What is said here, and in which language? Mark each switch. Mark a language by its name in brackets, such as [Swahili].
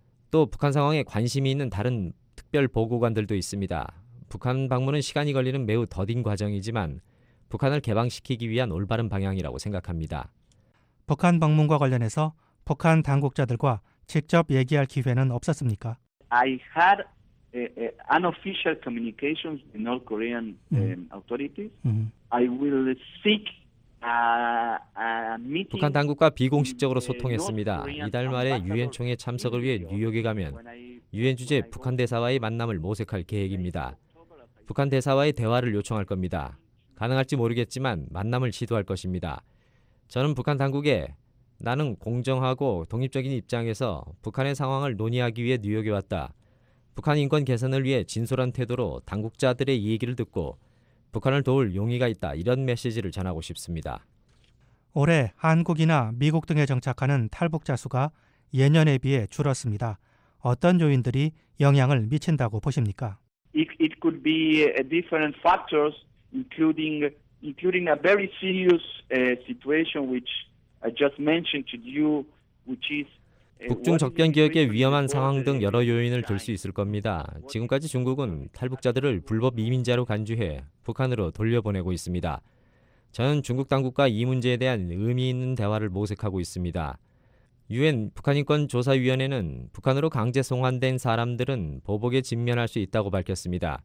[Korean] 또 북한 상황에 관심이 있는 다른 특별보고관들도 있습니다. 북한 방문은 시간이 걸리는 매우 더딘 과정이지만 북한을 개방시키기 위한 올바른 방향이라고 생각합니다. 북한 방문과 관련해서 북한 당국자들과 직접 얘기할 기회는 없었습니까? [English] I had unofficial communications with North Korean authorities. I will seek a meeting. [Korean] 북한 당국과 비공식적으로 소통했습니다. 이달 말에 유엔 총회 참석을 위해 뉴욕에 가면 유엔 주재 북한 대사와의 만남을 모색할 계획입니다. 북한 대사와의 대화를 요청할 겁니다. 가능할지 모르겠지만 만남을 시도할 것입니다. 저는 북한 당국에 나는 공정하고 독립적인 입장에서 북한의 상황을 논의하기 위해 뉴욕에 왔다. 북한 인권 개선을 위해 진솔한 태도로 당국자들의 얘기를 듣고 북한을 도울 용의가 있다. 이런 메시지를 전하고 싶습니다. 올해 한국이나 미국 등에 정착하는 탈북자 수가 예년에 비해 줄었습니다. 어떤 요인들이 영향을 미친다고 보십니까? [English] It could be different factors including a very serious situation which I just mentioned to you, which is [Korean] 북중 적변 기역의 위험한 상황 등 여러 요인을 들 수 있을 겁니다. 지금까지 중국은 탈북자들을 불법 이민자로 간주해 북한으로 돌려보내고 있습니다. 저는 중국 당국과 이 문제에 대한 의미 있는 대화를 모색하고 있습니다. 유엔 북한인권조사위원회는 북한으로 강제 송환된 사람들은 보복에 직면할 수 있다고 밝혔습니다.